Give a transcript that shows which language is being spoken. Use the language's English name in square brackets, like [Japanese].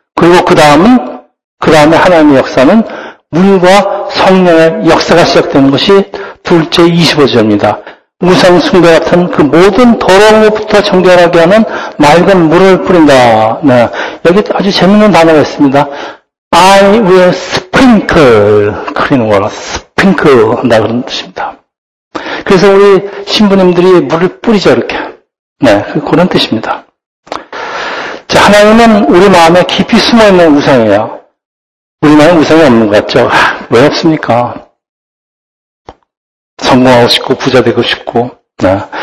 [Korean] 그리고 그 다음에 하나님의 역사는 물과 성령의 역사가 시작되는 것이 둘째 25절입니다. 우상 숭배 같은 그 모든 더러움으로부터 정결하게 하는 맑은 물을 뿌린다. 네. 여기 아주 재밌는 단어가 있습니다. [English] I will sprinkle clean water. [Korean] Sprinkle 한다 그런 뜻입니다. 그래서 우리 신부님들이 물을 뿌리죠, 이렇게. 네, 그런 뜻입니다. 자, 하나님은 우리 마음에 깊이 숨어있는 우상이에요. 우리 마음에 우상이 없는 것 같죠? 왜 없습니까? 성공하고 싶고, 부자 되고 싶고, 네.